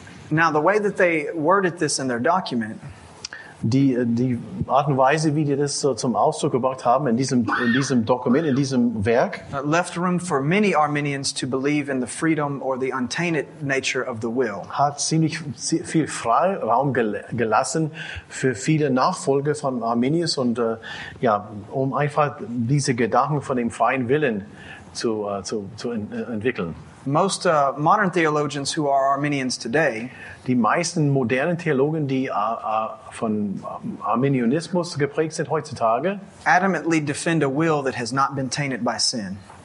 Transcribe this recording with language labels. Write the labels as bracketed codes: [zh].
[en] Now the way that they worded this in their document, [de] die Art und Weise, wie die das so zum Ausdruck gebracht haben in diesem Dokument, in diesem Werk, [en] left room for many Arminians to believe in the freedom or the untainted nature of the will. [de] Hat ziemlich viel Freiraum gelassen für viele Nachfolger von Arminius und um einfach diese Gedanken von dem freien Willen zu entwickeln. [en] Most modern theologians who are Arminians today, [de] die meisten modernen Theologen, die von Arminianismus geprägt sind heutzutage, [en] adamantly defend a will that has not been tainted by sin.